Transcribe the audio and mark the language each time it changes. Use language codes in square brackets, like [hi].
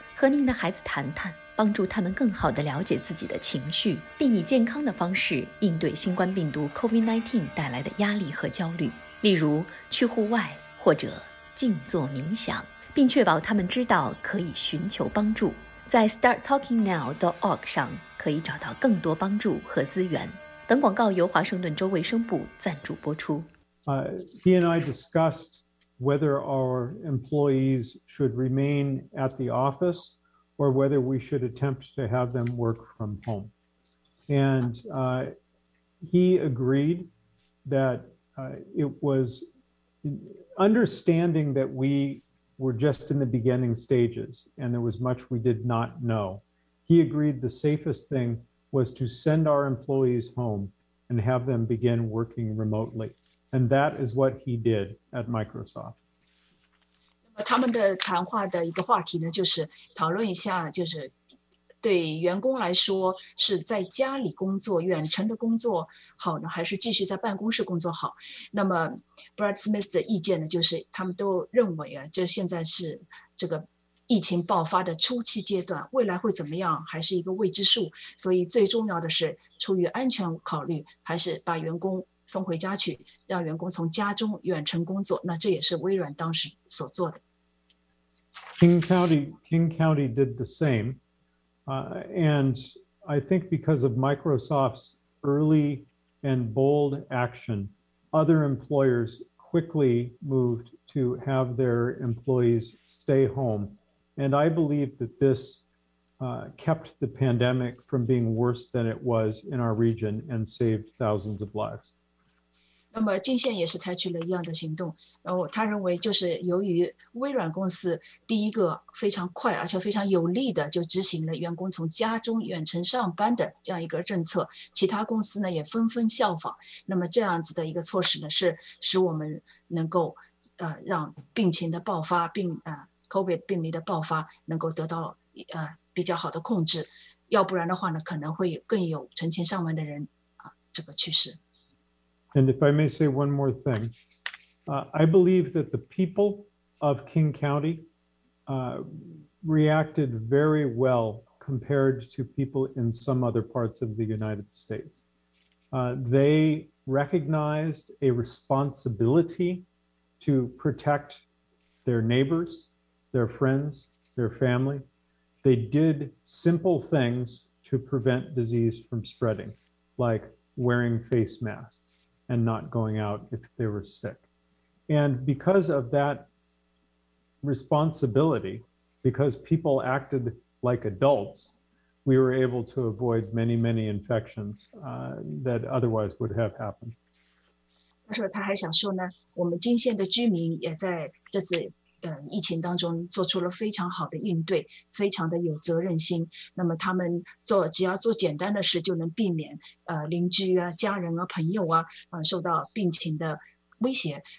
[zh] 和您的孩子谈谈，帮助他们更好地了解自己的情绪，并以健康的方式应对新冠病毒 COVID-19 带来的压力和焦虑，例如去户外或者静坐冥想，并确保他们知道可以寻求帮助。在 starttalkingnow.org 上可以找到更多帮助和资源。本广告由华盛顿州卫生部赞助播出。 [en] He and I discussed whether our employees should remain at the office or whether we should attempt to have them work from home. And he agreed that it was understanding that we were just in the beginning stages and there was much we did not know. He agreed the safest thing was to send our employees home and have them begin working remotely. And that is what he did at Microsoft. [zh] 那么他们的谈话的一个话题呢，就是讨论一下，就是对员工来说是在家里工作，远程的工作好呢，还是继续在办公室工作好。那么 Brad Smith 的意见呢，就是他们都认为啊，就现在是这个疫情爆发的初期阶段，未来会怎么样还是一个未知数，所以最重要的是出于安全考虑，还是把员工送回家去，让员工从家中远程工作。那这也是微软当时所做的。 [en] King County did the same. And I think because of Microsoft's early and bold action, other employers quickly moved to have their employees stay home. And I believe that this kept the pandemic from being worse than it was in our region and saved thousands of lives. [zh] 那么金县也是采取了一样的行动，然后他认为就是由于微软公司第一个非常快而且非常有力的就执行了员工从家中远程上班的这样一个政策，其他公司呢也纷纷效仿。那么这样子的一个措施呢，是使我们能够让病情的爆发并COVID 病例的爆发能够得到比较好的控制，要不然的话呢，可能会更有成千上万的人这个去世。 [en] And if I may say one more thing, I believe that the people of King County reacted very well compared to people in some other parts of the United States. They recognized a responsibility to protect their neighbors. Their friends, their family. They did simple things to prevent disease from spreading, like wearing face masks and not going out if they were sick. And because of that responsibility, because people acted like adults, we were able to avoid many, many infections that otherwise would have happened. [zh] 他说他还想说呢，我们金县的居民也在这次疫情当中做出了非常好的应对，非常的有责任心。那么他们做只要做简单的事，就能避免邻居啊、家人啊、朋友啊，受到病情的威胁。